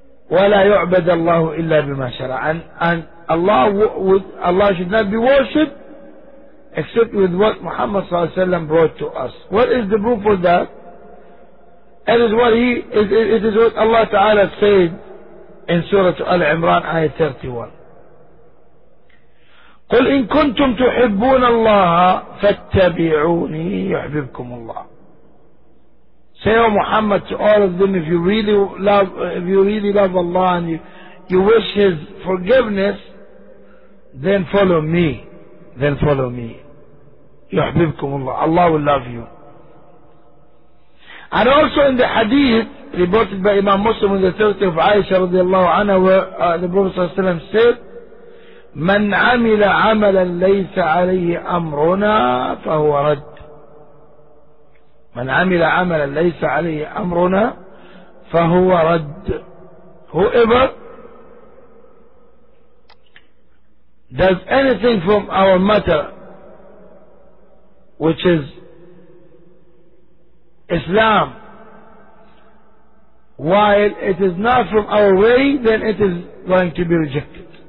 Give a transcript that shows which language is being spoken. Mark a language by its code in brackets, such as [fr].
[ar] ولا يعبد الله إلا بما شرع. [en] And Allah should not be worshipped except with what Muhammad صلى الله عليه وسلم brought to us. What is the proof of that? It is what Allah Ta'ala said in Surah Al-Imran, Ayah 31. [ar] قل إن كنتم تحبون الله فاتبعوني يحببكم الله. [en] Say, O Muhammad, to all of them, if you really love Allah and you wish His forgiveness, then follow me. [ar] يحببكم الله. [en] Allah will love you. And also in the hadith reported by Imam Muslim in the 30th of Aisha رضي الله عنها, where the Prophet صلى الله عليه وسلم said, [ar] من عمل عملا ليس عليه أمرنا فهو رد. من عمل عملا ليس عليه أمرنا فهو رد. [en] Whoever does anything from our matter which is Islam while it is not from our way, then it is going to be rejected.